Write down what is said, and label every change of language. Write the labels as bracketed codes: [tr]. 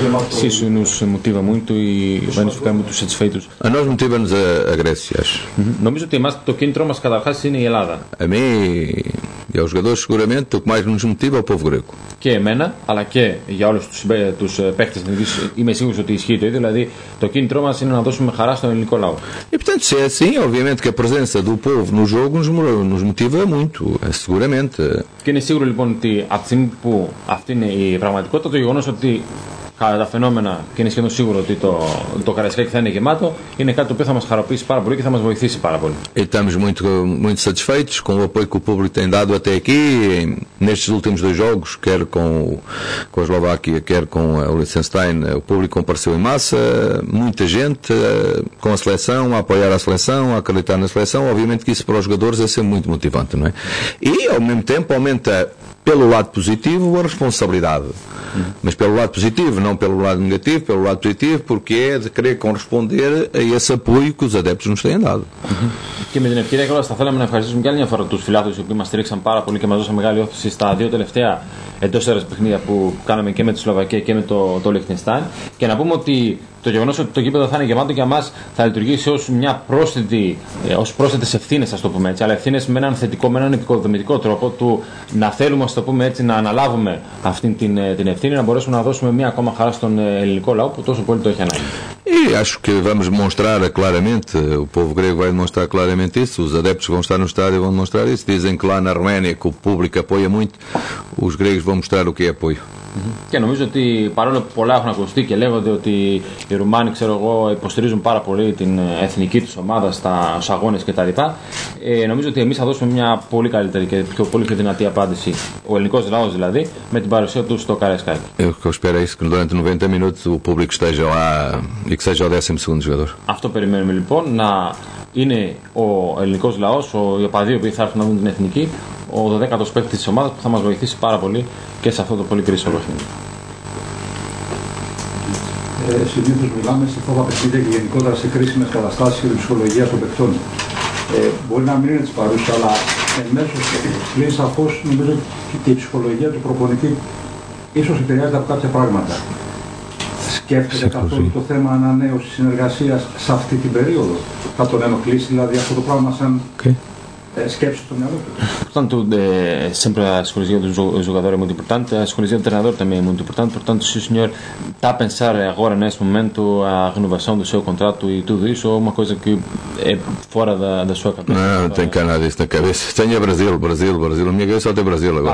[pt] Sim, isso nos motiva muito e vai nos ficar muito satisfeitos. A nós motiva-nos a Grécia, acho. Não me que o que entrou, mas cada vez é a mim e aos jogadores, seguramente, o que mais nos motiva é o povo grego. [el] Και εμένα, αλλά και για όλους τους παίχτες, είμαι σίγουρος ότι ισχύει το ίδιο. Δηλαδή, το κίνητρό μας είναι να δώσουμε χαρά στον ελληνικό λαό. [pt] E, portanto, se é assim, obviamente que a presença do povo no jogo nos motiva muito, seguramente. [el] Και είναι σίγουρο λοιπόν ότι από τη στιγμή που αυτή είναι η πραγματικότητα, το γεγονός ότι κατά τα φαινόμενα, και είναι σχεδόν σίγουρο ότι το Καραϊσκάκη θα είναι γεμάτο, είναι κάτι το οποίο θα μας χαροποιήσει πάρα πολύ και θα μας βοηθήσει πάρα πολύ. [pt] Estamos muito, muito satisfeitos com o apoio que o público tem dado até aqui, nestes últimos dois jogos, quer com a Eslováquia, quer com o Liechtenstein. O público compareceu em massa, muita gente com a seleção, a apoiar a seleção, a acreditar na seleção. Obviamente que isso para os jogadores é sempre muito motivante, não é? E ao mesmo tempo aumenta pelo lado positivo, uma responsabilidade. Mas pelo lado positivo, não pelo lado negativo, pelo lado positivo, porque é de querer corresponder a esse apoio que os adeptos nos têm dado. [el] Και με την ευκαιρία και όλα, θα θέλαμε να ευχαριστήσουμε και άλλη μια φορά τους φιλάθλους οι οποίοι μας στήριξαν πάρα πολύ και μας δώσαν μεγάλη όθηση στα δύο τελευταία εντός έδρας παιχνίδια που κάναμε και με τη Σλοβακία και με το Λιχτενστάιν. Και να πούμε ότι το γεγονός ότι το γήπεδο θα είναι γεμάτο για μας θα λειτουργήσει ως μια πρόσθετη, ως πρόσθετες ευθύνες, ας το πούμε έτσι, αλλά ευθύνες με έναν θετικό, με έναν επικοδομητικό τρόπο του να θέλουμε, ας το πούμε έτσι, να αναλάβουμε αυτή την ευθύνη, να μπορέσουμε να δώσουμε μια ακόμα χαρά στον ελληνικό λαό που τόσο πολύ το έχει ανάγκη. [pt] E acho que vamos demonstrar claramente, o povo grego vai demonstrar claramente isso, os adeptos vão estar no estádio e vão demonstrar isso. Dizem que lá na Roménia, que o público apoia muito, os gregos vão mostrar o que é apoio. [el] Και νομίζω ότι παρόλο που πολλά έχουν ακουστεί και λέγονται ότι οι Ρουμάνοι, ξέρω εγώ, υποστηρίζουν πάρα πολύ την εθνική τους ομάδα στους αγώνες κτλ., νομίζω ότι εμείς θα δώσουμε μια πολύ καλύτερη και πολύ πιο δυνατή απάντηση, ο ελληνικός λαός δηλαδή, με την παρουσία τους στο Καραϊσκάκη. Εγώ [pt] espero isso, que durante 90 minutos o público esteja lá e que seja o 12º jogador. [el] Αυτό περιμένουμε λοιπόν, να είναι ο ελληνικός λαός, οι οπαδοί που θα έρθουν να δουν την εθνική, ο 12ος παίκτης της ομάδας που θα μας βοηθήσει πάρα πολύ και σε αυτό το πολύ κρίσιμο παιχνίδι. Συνήθως μιλάμε σε φόβα παιχνίδια και γενικότερα σε κρίσιμες καταστάσεις και την ψυχολογία των παιχτών. Μπορεί να μην είναι της παρούσης, αλλά εν μέσω λέει σαφώς νομίζω ότι η ψυχολογία του προπονητή ίσως επηρεάζεται από κάποια πράγματα. Σκέφτεται καθόλου το θέμα ανανέωσης συνεργασίας σε αυτή την περίοδο. Θα τον ενοχλήσει δηλαδή αυτό το πράγμα σαν. Okay. [pt] Portanto, sempre a escolha do jogador é muito importante, a escolha do treinador também é muito importante. Portanto, se o senhor está a pensar agora, neste momento, a renovação do seu contrato e tudo isso, ou uma coisa que é fora da sua cabeça? Não tenho cá nada disso na cabeça. Tenho a Brasil. A minha cabeça só tem Brasil agora.